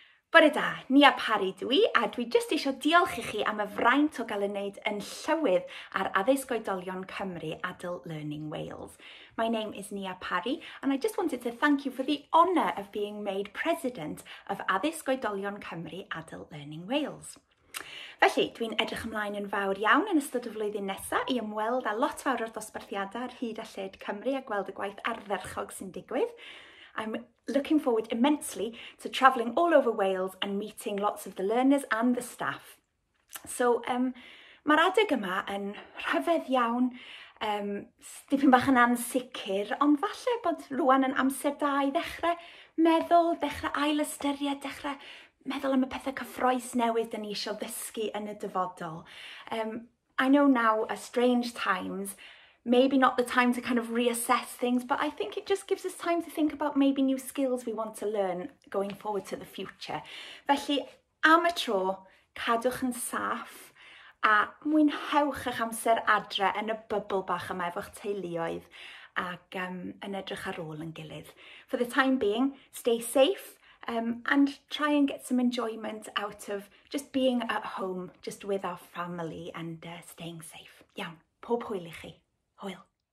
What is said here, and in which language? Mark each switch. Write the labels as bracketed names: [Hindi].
[Welsh] Bore da, ni a Parry dwi, a dwi jyst eisiau diolch I chi am y fraint o gael ei wneud yn Llywydd ar Addysg Oedolion Cymru Adult Learning Wales. [English] My name is Nia Parry and I just wanted to thank you for the honour of being made President of Addysg Oedolion Cymru Adult Learning Wales. [Welsh] Felly, dwi'n edrych ymlaen yn fawr iawn yn ystod y flwyddyn nesaf I ymweld â lot fawr o'r dosbarthiadau ar hyd a lled Cymru a gweld y gwaith ardderchog sy'n digwydd. [English] I'm looking forward immensely to travelling all over Wales and meeting lots of the learners and the staff. [Welsh] So, mae'r adeg yma yn rhyfedd iawn, dipyn bach yn ansicr, ond falle bod rwan yn amser da I ddechrau meddwl, ddechrau ailystyried, ddechrau meddwl am y pethau cyffroes newydd dyn ni eisiau ddysgu yn y dyfodol. [English] I know now are strange times, maybe not the time to kind of reassess things, but I think it just gives us time to think about maybe new skills we want to learn going forward to the future. [Welsh] Felly, am y tro, cadwch yn saff a mwynhewch eich amser adre yn y bubl bach yma efo'ch teuluoedd ac yn edrych ar ôl yn gilydd. [English] For the time being, stay safe and try and get some enjoyment out of just being at home, just with our family and staying safe. [Welsh] Iawn, pob hwyl I chi. Hwyl.